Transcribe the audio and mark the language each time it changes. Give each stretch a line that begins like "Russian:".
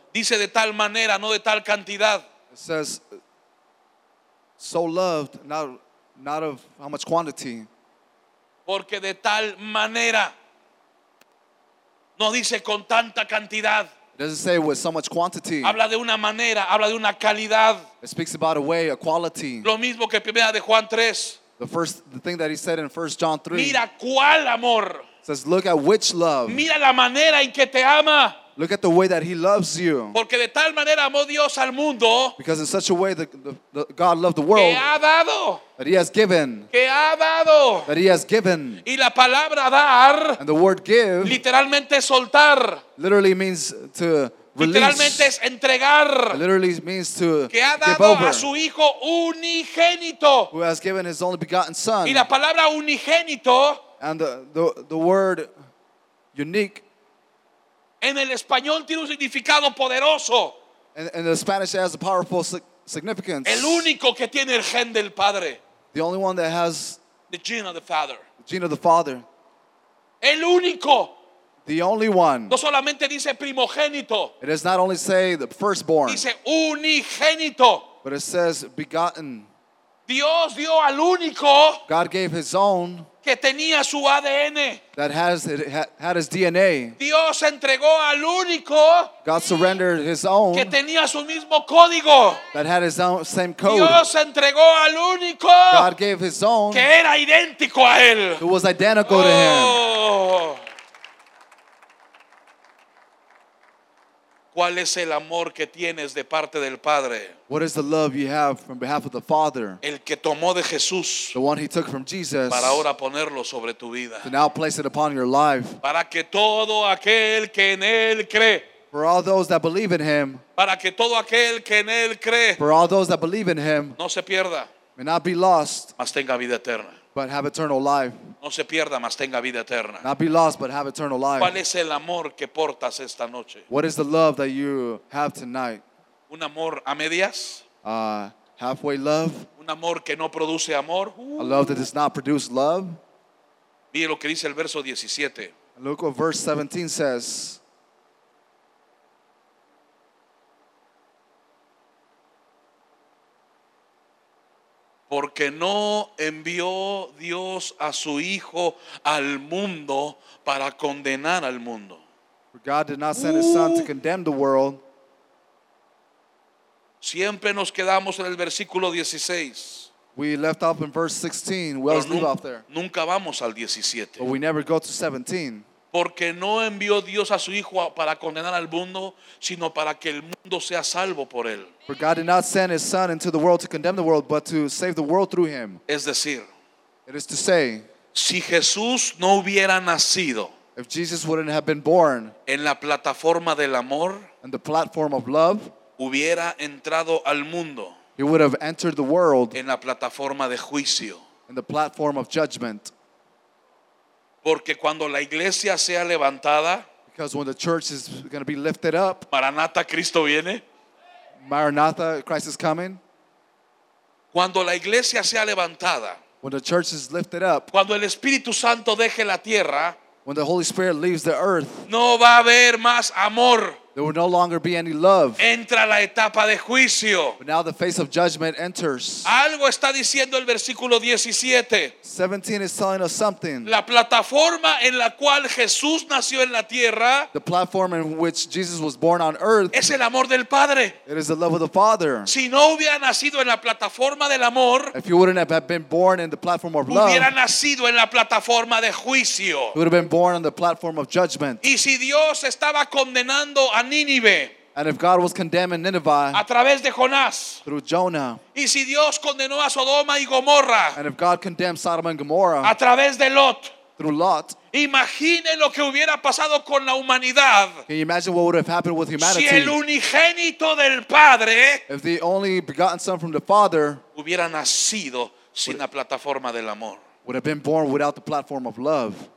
Spanish: Dice de tal manera, no de tal cantidad.
English: It says, so loved, not of how much quantity.
Spanish: Porque de tal manera, no dice con tanta cantidad.
English: It doesn't say with so much quantity.
Spanish: Habla de una manera, habla de una calidad.
English: It speaks about a way, a quality.
Spanish: Lo mismo que primera de Juan 3.
English: The thing that he said in 1 John 3.
Spanish: Mira cuál amor.
English: It says, look at which love.
Spanish: Mira la manera en que te ama.
English: Look at the way that he loves you.
Spanish: Porque de tal manera amó Dios al mundo.
English: Because in such a way the God loved the world.
Spanish: Que ha dado.
English: That he has given.
Spanish: Que ha dado.
English: That he has given.
Spanish: Y la palabra dar.
English: And the word give.
Spanish: Literalmente soltar.
English: Literally means to release.
Spanish: Literalmente es entregar.
English: It literally means to give over.
Spanish: Que ha dado a su hijo unigénito.
English: Who has given his only begotten son.
Spanish: Y la palabra unigénito.
English: And the word unique.
Spanish: En el español tiene un significado poderoso.
English: In the Spanish it has a powerful significance.
Spanish: El único que tiene el gen del Padre.
English: The only one that has the gene of the Father. The gene of the Father.
Spanish: El único.
English: The only one.
Spanish: No solamente dice primogénito.
English: It does not only say the firstborn.
Spanish: Dice unigénito.
English: But it says begotten.
Spanish: Dios dio al único.
English: God gave his own.
Spanish: Que tenía su ADN.
English: That has had his DNA.
Spanish: Dios entregó al único.
English: God surrendered his own.
Spanish: Que tenía su mismo código.
English: That had his own same code.
Spanish: Dios entregó al único.
English: God gave his own.
Spanish: Que era idéntico a él.
English: Who was identical to him.
Spanish: ¿Cuál es el amor que tienes de parte del Padre?
English: What is the love you have from behalf of the Father?
Spanish: El que tomó de Jesús.
English: The one he took from Jesus.
Spanish: Para ahora ponerlo sobre tu vida.
English: To now place it upon your life.
Spanish: Para que todo aquel que en él cree.
English: For all those that believe in him.
Spanish: Para que todo aquel que en él cree.
English: For all those that believe in him.
Spanish: No se pierda.
English: May not be lost.
Spanish: Mas tenga vida eterna.
English: But have eternal life.
Spanish: No se pierda, mas tenga vida eterna.
English: Not be lost, but have eternal life.
Spanish: ¿Cuál es el amor que portas esta noche?
English: What is the love that you have tonight?
Spanish: Un amor a medias.
English: Halfway love.
Spanish: Un amor que no produce amor.
English: A love that does not produce love.
Spanish: Mire lo que dice el verso 17.
English: Look what verse 17 says.
Spanish: Porque no envió Dios a su Hijo al mundo para condenar al mundo.
English: For God did not send his Son to condemn the world.
Spanish: Siempre nos quedamos en el versículo 16.
English: We left off in verse 16. We always leave off there.
Spanish: Nunca vamos al 17.
English: But we never go to 17.
Spanish: Porque no envió Dios a su Hijo para condenar al mundo, sino para que el mundo sea salvo por él.
English: For God did not send his Son into the world to condemn the world, but to save the world through him.
Spanish: Es decir,
English: it is to say,
Spanish: si Jesús no hubiera nacido,
English: if Jesus wouldn't have been born,
Spanish: en la plataforma del amor,
English: and the platform of love,
Spanish: hubiera entrado al mundo,
English: he would have entered the world,
Spanish: en la plataforma de juicio,
English: in the platform of judgment.
Spanish: Porque cuando la iglesia sea levantada,
English: because when the church is going to be lifted up,
Spanish: Maranatha, Cristo viene,
English: Maranatha, Christ is coming.
Spanish: Cuando la iglesia sea levantada.
English: When the church is lifted up.
Spanish: Cuando el Espíritu Santo deje la tierra.
English: When the Holy Spirit leaves the earth.
Spanish: No va a haber más amor.
English: There will no longer be any love.
Spanish: Entra la etapa de juicio.
English: But now the face of judgment enters.
Spanish: Algo está diciendo el versículo 17.
English: 17 is telling us something.
Spanish: La plataforma en la cual Jesús nació en la tierra.
English: The platform in which Jesus was born on earth.
Spanish: Es el amor del Padre.
English: It is the love of the Father.
Spanish: Si no hubiera nacido en la plataforma del amor.
English: If you wouldn't have been born in the platform of love.
Spanish: Hubiera nacido en la plataforma de juicio.
English: You would have been born on the platform of judgment.
Spanish: Y si Dios estaba condenando a Nínive.
English: And if God was condemning Nineveh,
Spanish: a través de Jonás,
English: through Jonah.
Spanish: Y si Dios condenó a Sodoma y Gomorra,
English: and if God condemned Sodom and Gomorrah,
Spanish: a través de Lot,
English: through Lot.
Spanish: Imagine lo que hubiera pasado con la humanidad.
English: Can you imagine what would have happened with humanity?
Spanish: Si el unigénito del Padre,
English: if the only begotten Son from the Father,
Spanish: hubiera nacido sin la plataforma del amor,
English: would have been born without the platform of love.